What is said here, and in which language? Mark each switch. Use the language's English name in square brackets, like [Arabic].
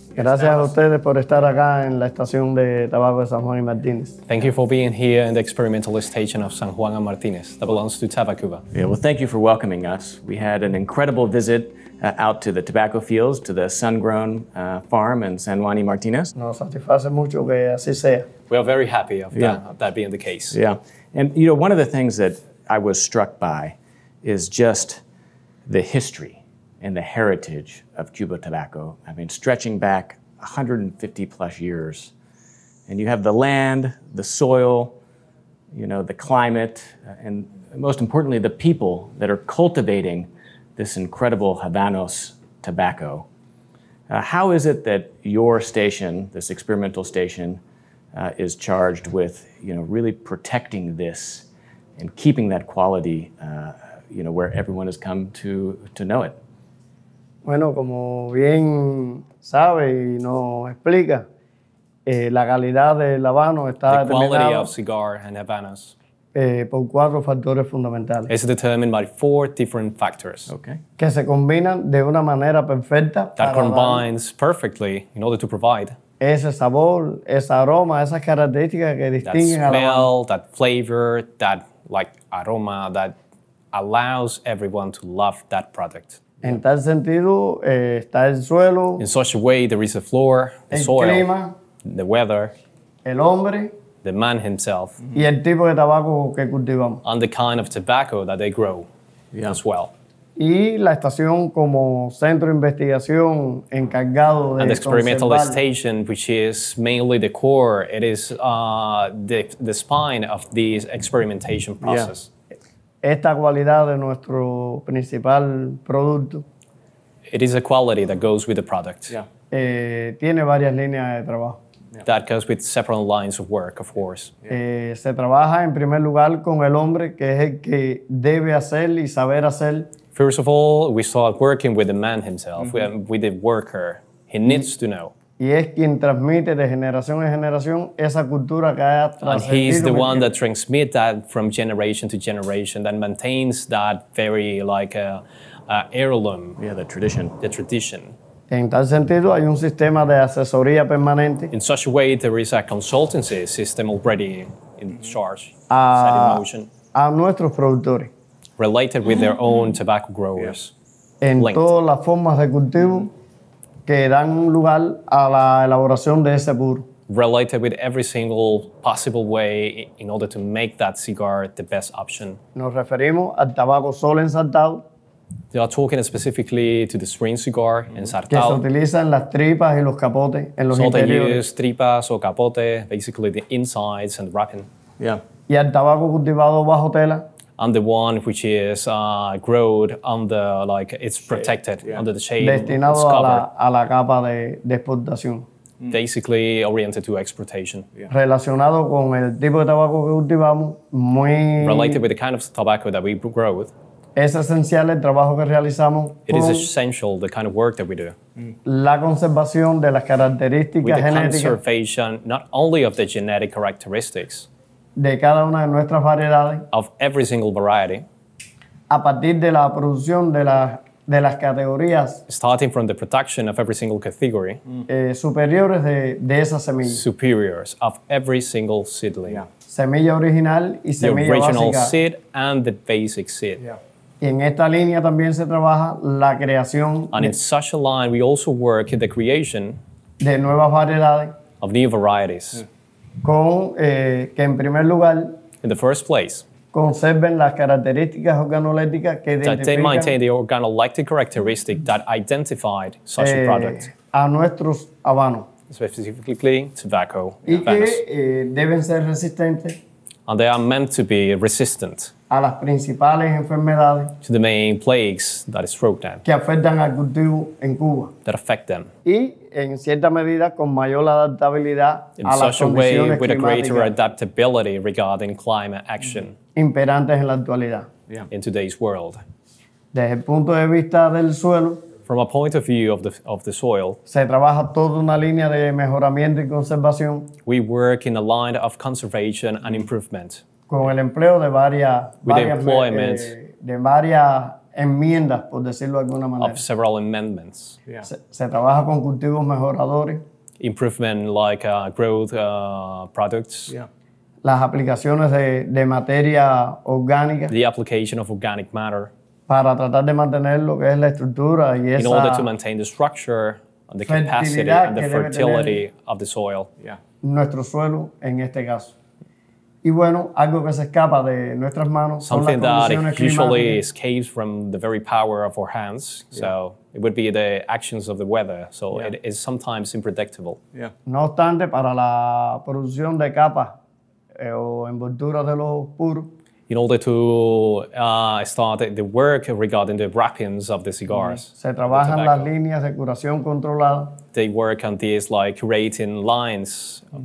[Spanish] Gracias a ustedes por estar acá en la estación de tabaco de San Juan y Martínez. [English] Thank you for being here in the experimental station of San Juan and Martínez that belongs to Tabacuba. Yeah, well, thank you for welcoming us. We had an incredible visit out to the tobacco fields, to the sun-grown farm in San Juan y Martínez. [Spanish] Nos satisface mucho que así sea. [English] We are very happy of that being the case. Yeah, and you know, one of the things that I was struck by is just the history and the heritage of Cuba tobacco. I mean, stretching back 150 plus years And you have the land, the soil, you know, the climate, and most importantly, the people that are cultivating this incredible Habanos tobacco. How is it that your station, this experimental station, is charged with, you know, really protecting this and keeping that quality, you know, where everyone has come to know it? [Spanish] Bueno, como bien sabe y nos explica, la calidad del Habano está determinada. [English] The quality of cigar and Habanos. [Spanish] Por cuatro factores fundamentales. [English] It's determined by four different factors. Okay. [Spanish] Que se combinan de una manera perfecta. [English] That para combines dar perfectly in order to provide. [Spanish] Ese sabor, ese aroma, esas características que distinguen al Habano. [English] That smell, that flavor, that like aroma that allows everyone to love that product. [Spanish] En tal sentido, está el suelo. [English] In such a way, there is a floor, the [Spanish] el [English] soil, [Spanish] clima, [English] the weather, [Spanish] el hombre, [English] the man himself, [Spanish] y el tipo de tabaco que cultivamos, [English] and the kind of tobacco that they grow, yeah, as well. [Spanish] Y la estación como centro de investigación encargado de [English] and the experimental station, which is mainly the core, it is the spine of this experimentation process. Yeah. [Spanish] Esta cualidad de nuestro principal producto. [English] It is a quality that goes with the product. Yeah. [Spanish] Tiene varias líneas de trabajo. [English] Yeah. That goes with several lines of work, of course. Yeah. [Spanish] Se trabaja en primer lugar con el hombre que es el que debe hacer y saber hacer. [English] First of all, we start working with the man himself, mm-hmm, with the worker. He needs to know. [Spanish] Y es quien transmite de generación en generación esa cultura que ha transmitido. [English] And he's the one that transmits that from generation to generation, that maintains that very like heirloom. Yeah, the tradition. The tradition. [Spanish] En tal sentido, hay un sistema de asesoría permanente. [English] In such a way, there is a consultancy system already in charge, set in motion. [Spanish] A nuestros productores. [English] Related with their own tobacco growers. [Spanish] En todas las formas de cultivo que dan lugar a la elaboración de ese puro. [English] Related with every single possible way in order to make that cigar the best option. [Spanish] Nos referimos al tabaco solo ensartado. [English] They are talking specifically to the string cigar and sartao. [Spanish] Que se utilizan las tripas y los capotes en los interiores. [English] So they use tripas o capote, basically the insides and wrapping. Yeah. [Spanish] Y el tabaco cultivado bajo tela. [English] And the one which is grown under, like, it's protected shade, yeah, under the shade. [Spanish] Destinado [English] it's [Spanish] a la capa de exportación. [English] Basically oriented to exportation. Yeah. [Spanish] Relacionado con el tipo de tabaco que cultivamos, muy [English] related with the kind of tobacco that we grow with. [Spanish] Es esencial el trabajo que realizamos. [English] It is essential, the kind of work that we do. [Spanish] La conservación de las características genéticas. [English] With the conservation, not only of the genetic characteristics. [Spanish] De cada una de nuestras variedades. [English] Of every single variety. [Spanish] A partir de la producción de las categorías. [English] Starting from the production of every single category. [Spanish] Superiores de esas semillas. [English] Superiors of every single seedling. Yeah. [Spanish] Semilla original y semilla básica. [English] The original seed and the basic seed. Yeah. [Spanish] Y en esta línea también se trabaja la creación [English] and in such a line, we also work in the creation [Spanish] de nuevas variedades [English] of new varieties. [Spanish] Con que en primer lugar [English] in the first place [Spanish] conserven las características organolépticas que [English] identifican that they maintain the organoleptic characteristic that identified such a product. [Spanish] A nuestros habanos. [English] Specifically, tobacco. [Spanish] Y que deben ser resistentes. [English] And they are meant to be resistant [Spanish] a las principales enfermedades [English] to the main plagues that is stroke them [Spanish] que afectan al cultivo en Cuba [English] that affect them [Spanish] y en cierta medida con mayor adaptabilidad [English] in [Spanish] a las condiciones [English] way, with [Spanish] climáticas [English] a greater adaptability regarding climate action [Spanish] imperantes en la actualidad, [English] yeah, in today's world. [Spanish] Desde el punto de vista del suelo [English] from a point of view of the soil [Spanish] se trabaja toda una línea de mejoramiento y conservación [English] we work in a line of conservation and improvement [Spanish] con el empleo de varias [English] with varias employment, [Spanish] de varias enmiendas por decirlo de alguna manera [English] of several amendments, yeah, [Spanish] se trabaja con cultivos mejoradores [English] improvement like growth products, yeah. [Spanish] Las aplicaciones de materia orgánica [English] the application of organic matter [Spanish] para tratar de mantener lo que es la estructura y esa [English] in order to maintain the structure and the capacity and the fertility of the soil. Yeah. [Spanish] Nuestro suelo en este caso. Y bueno, algo que se escapa de nuestras manos [English] something [Spanish] son las condiciones climáticas. [English] Something that usually escapes from the very power of our hands. Yeah. So It would be the actions of the weather, so yeah. It is sometimes unpredictable. Yeah. [Spanish] No obstante, para la producción de capas o envolturas de los puros. [English] In order to start the work regarding the wrappings of the cigars. [Spanish] Se trabajan las líneas de curación controlada. [English] They work on these like rating lines, mm-hmm.